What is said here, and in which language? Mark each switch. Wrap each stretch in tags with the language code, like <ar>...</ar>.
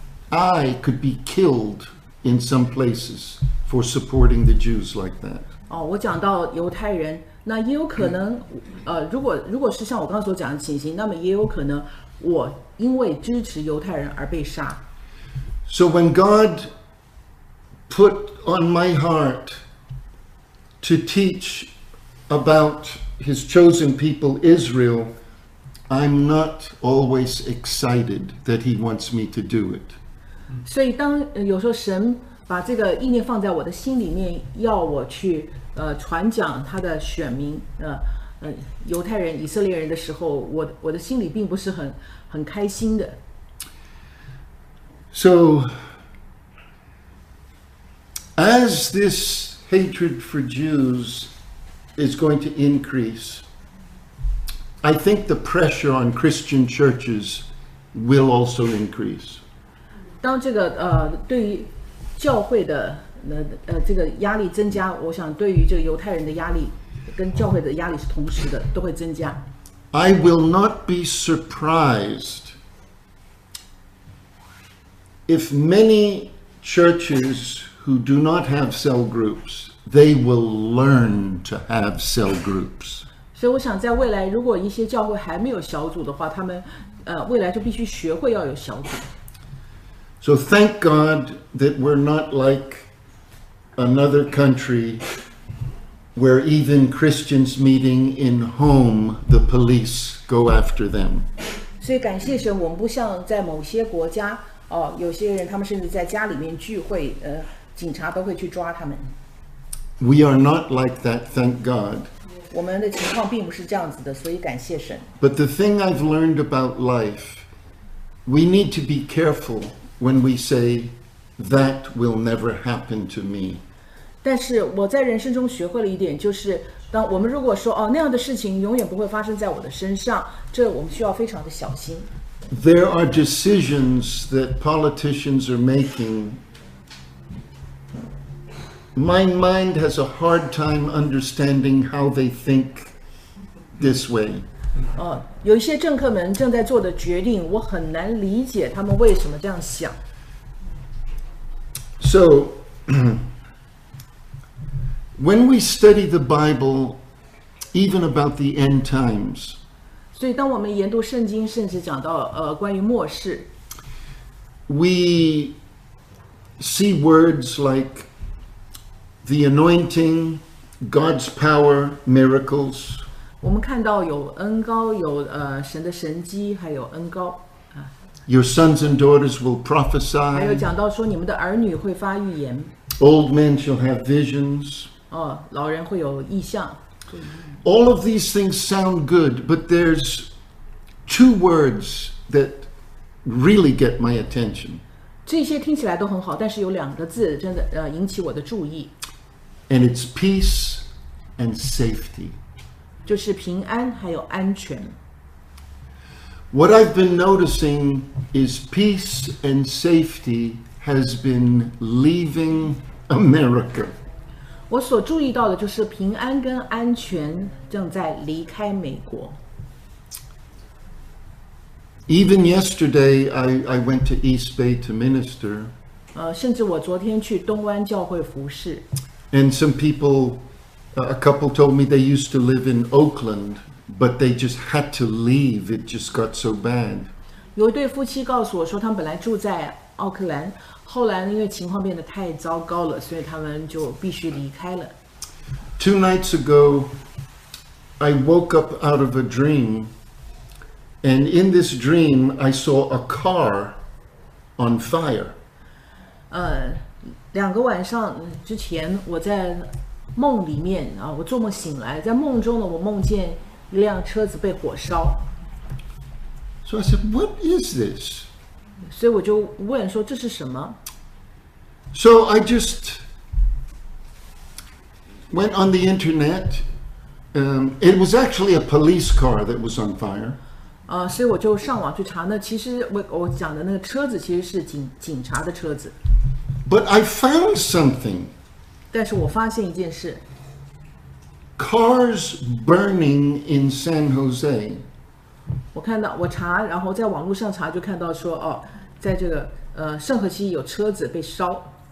<en>I could be killed in some places for supporting the Jews like that.</en> <zh>我讲到犹太人，那也有可能，如果是像我刚才所讲的情形，那么也有可能我因为支持犹太人而被杀。</zh> <en>So when God put on my heart to teach about His chosen people, Israel, I'm not always excited that He wants me to do it.</en> <zh>所以当有时候神把这个意念放在我的心里面，要我去传讲他的选民犹太人、以色列人的时候，我的心里并不是很开心的。</zh> <en>So, as this hatred for Jews is going to increase, I think the pressure on Christian churches will also increase.</en> <zh>当这个对于教会的这个压力增加，我想对于这个犹太人的压力跟教会的压力是同时的，都会增加。</zh> <en>I will not be surprised if many churches who do not have cell groups, they will learn to have cell groups.</en> <zh>所以我想在未来，如果一些教会还没有小组的话，他们未来就必须学会要有小组。</zh> <en>So thank God that we're not like another country where even Christians meeting in home, the police go after them.</en> <zh>所以感谢神，我们不像在某些国家，哦，有些人他们甚至在家里面聚会，警察都会去抓他们。</zh> <en>We are not like that, thank God.</en> <zh>我们的情况并不是这样子的，所以感谢神。</zh> <en>But the thing I've learned about life, we need to be careful when we say, that will never happen to me.</en> <zh>但是我在人生中学会了一点，就是当我们如果说，哦，那样的事情永远不会发生在我的身上，这我们需要非常的小心。</zh> <en>There are decisions that politicians are making. My mind has a hard time understanding how they think this way.</en> <zh>哦，有一些政客们正在做的决定，我很难理解他们为什么这样想。</zh> <en>So, when we study the Bible, even about the end times,</en> <zh>所以当我们研读圣经，甚至讲到关于末世，</zh> <en>we see words like the anointing, God's power, miracles.</en> <zh>我们看到有恩膏，有神的神迹，还有恩膏。</zh> <en>Your sons and daughters will prophesy.</en> <zh>还有讲到说你们的儿女会发预言。</zh> <en>Old men shall have visions.</en> <zh>哦，老人会有异象。</zh> <en>All of these things sound good, but there's two words that really get my attention.</en> <zh>这些听起来都很好，但是有两个字真的引起我的注意。</zh> <en>And it's peace and safety.</en> <zh>就是平安还有安全。</zh> <en>What I've been noticing is peace and safety has been leaving America.</en> <zh>我所注意到的就是平安跟安全正在离开美国。</zh> <en>Even yesterday, I went to East Bay to minister.</en> <zh>甚至我昨天去东湾教会服事。</zh> <en>And some people, a couple told me they used to live in Oakland. But they just had to leave. It just got so bad.</en> <zh>有一对夫妻告诉我说，他们本来住在奥克兰，后来因为情况变得太糟糕了，所以他们就必须离开了。</zh> <en>Two nights ago, I woke up out of a dream, and in this dream, I saw a car on fire.</en> <zh>两个晚上之前，我在梦里面啊，我做梦醒来，在梦中呢，我梦见。一辆车子被火烧。</zh> <en>So I said, "What is this?"</en> <zh>所以我就问说这是什么。</zh> <en>So I just went on the internet. It was actually a police car that was on fire.</en> <zh>所以我就上网去查呢。其实我讲的那个车子其实是警察的车子。</zh> <en>But I found something.</en> <zh>但是我发现一件事。</zh> <en>Cars burning in San Jose.</en> <zh>我看到，我查，然后在网络上查，就看到说，哦，在这个圣何西有车子被烧。</zh>